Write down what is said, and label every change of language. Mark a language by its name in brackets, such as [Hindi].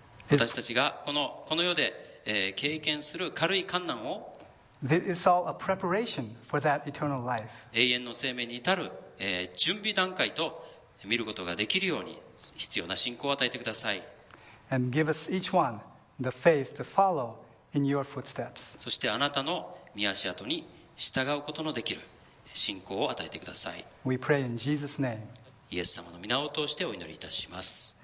[Japanese] 私たちがこの世で、経験する軽い患難を、 [English] It's all a preparation for that eternal life. [Japanese] 永遠の生命に至る、準備段階と見ることができるように必要な信仰を与えてください。 [English] And give us each one the faith to follow in your footsteps. [Japanese] そしてあなたの御足跡に従うことのできる信仰を与えてください。 [English] We pray in Jesus' name. [Japanese] イエス様の御名を通してお祈りいたします。